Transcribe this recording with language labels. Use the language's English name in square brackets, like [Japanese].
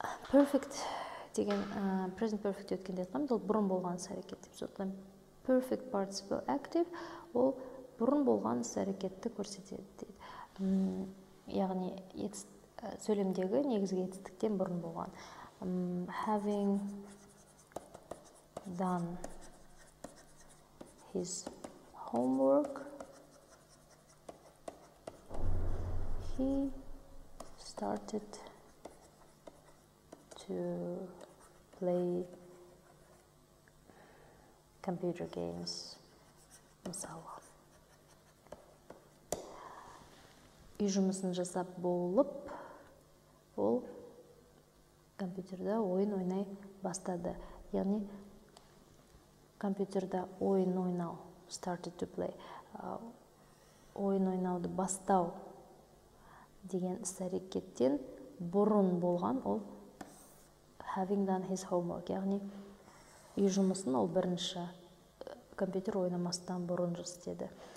[Kazakh] Perfect деген present perfect өткенде айтқанымыз ол бұрын болған әрекет деп. Сондықтан perfect participle active ол бұрын болған әрекетті көрсетеді дейді. Яғни сөйлемдегі негізгі етістіктен бұрын болған. [English] Having done his homework, he started to play computer games. [Kazakh] Мысалы. Үй жұмысын жасап болып, ол компьютерде ойын ойнай бастады. Яғни, компьютерде ойын ойнау, [English] started to play, [Kazakh] ойын ойнауды бастау деген әрекеттен бұрын болған ол [English] having done his homework, [Kazakh] яғни үй жұмысын ол бірінші компьютер ойнамастан бұрын істеді.